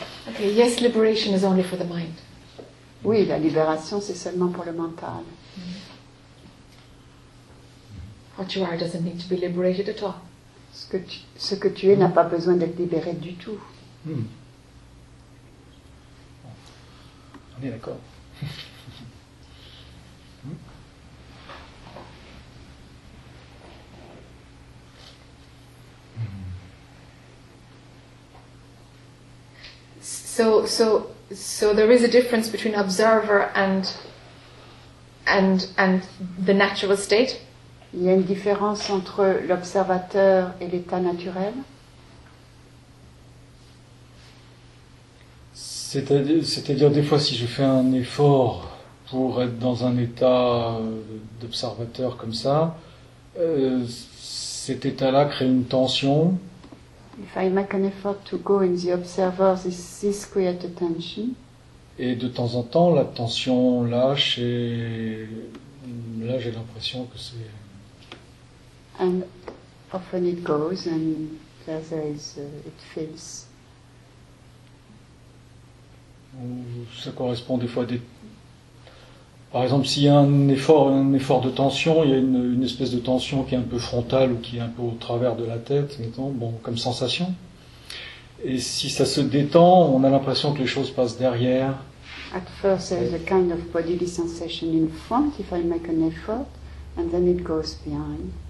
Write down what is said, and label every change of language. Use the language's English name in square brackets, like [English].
[English] Okay, yes, liberation is only for the mind. [French] Oui, la libération, c'est seulement pour le mental. [English] What you are doesn't need to be liberated at all. [French] Ce que tu es n'a pas besoin d'être libéré du tout. On est d'accord. [English] So there is a difference between observer and the natural state. [French] Il y a une différence entre l'observateur et l'état naturel. C'est-à-dire des fois si je fais un effort pour être dans un état d'observateur comme ça, cet état-là crée une tension. [English] If I make an effort to go in the observer, this creates a tension. [French] Et de temps en temps, la tension lâche et là j'ai l'impression que c'est... [English] And often it goes and it feels... [French] Ça correspond des fois à des... Par exemple, s'il y a un effort de tension, il y a une espèce de tension qui est un peu frontale ou qui est un peu au travers de la tête, mettons, bon, comme sensation. Et si ça se détend, on a l'impression que les choses passent derrière. [English] At first, there is a kind of bodily sensation in front, if I make an effort, and then it goes behind.